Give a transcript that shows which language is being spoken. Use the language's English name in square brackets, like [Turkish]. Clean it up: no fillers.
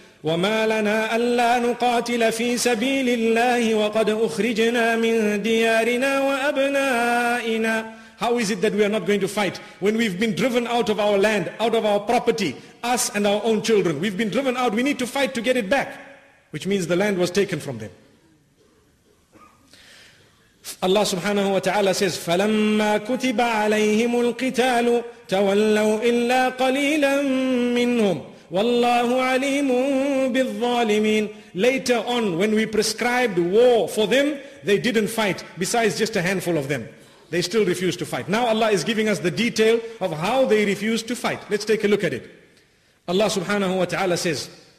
[Arabic] وَمَا لَنَا أَلَّا نُقَاتِلَ فِي سَبِيلِ اللَّهِ وَقَدْ أُخْرِجْنَا مِنْ دِيَارِنَا وَأَبْنَائِنَا. [English] How is it that we are not going to fight when we've been driven out of our land, out of our property, us and our own children? We've been driven out. We need to fight to get it back. Which means the land was taken from them. Allah subhanahu wa ta'ala says, [Arabic] فَلَمَّا كُتِبَ عَلَيْهِمُ الْقِتَالُ تَوَلَّوْا إِلَّا قَلِيلًا مِّنْهُمْ وَاللَّهُ عَلِيمٌ بِالظَّالِمِينَ. [English] Later on, when we prescribed war for them, they didn't fight besides just a handful of them. They still refuse to fight. Now Allah is giving us the detail of how they refuse to fight. Let's take a look at it. Allah subhanahu wa ta'ala says,